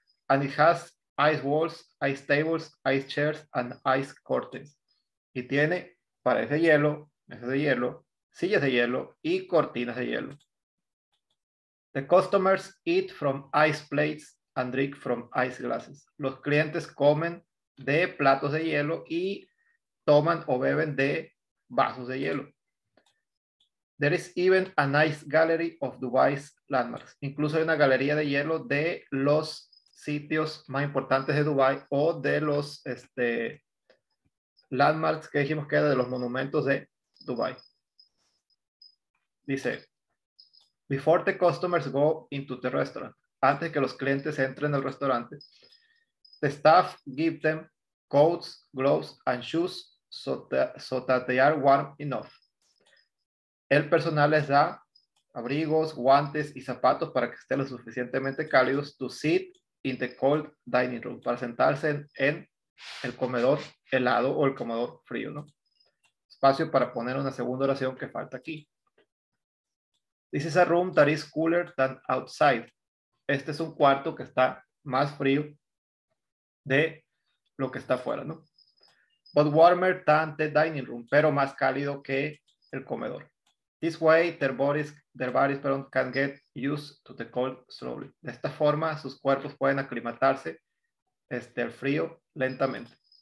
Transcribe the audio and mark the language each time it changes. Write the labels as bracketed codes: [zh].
[en] And it has ice walls, ice tables, ice chairs, and ice curtains. [es] Y tiene paredes de hielo, mesas de hielo, sillas de hielo y cortinas de hielo. [en] The customers eat from ice plates and drink from ice glasses. [es] Los clientes comen de platos de hielo y toman o beben de vasos de hielo. [en] There is even an ice gallery of Dubai's landmarks. [es] Incluso hay una galería de hielo de los sitios más importantes de Dubai o de los landmarks que dijimos que era de los monumentos de Dubai. Dice. [en] Before the customers go into the restaurant, [es] antes que los clientes entren al restaurante, [en] the staff give them coats, gloves, and shoes so that they are warm enough. [es] El personal les da abrigos, guantes y zapatos para que estén lo suficientemente cálidos [en] to sit in the cold dining room, [es] para sentarse en el comedor helado o el comedor frío, ¿no? Espacio para poner una segunda oración que falta aquí. [en] This is a room that is cooler than outside. [es] Este es un cuarto que está más frío de lo que está afuera, ¿no? [en] But warmer than the dining room, [es] pero más cálido que el comedor. [en] This way, their bodies [es] perdón, [en] can get used to the cold slowly. [es] De esta forma, sus cuerpos pueden aclimatarse al frío lentamente.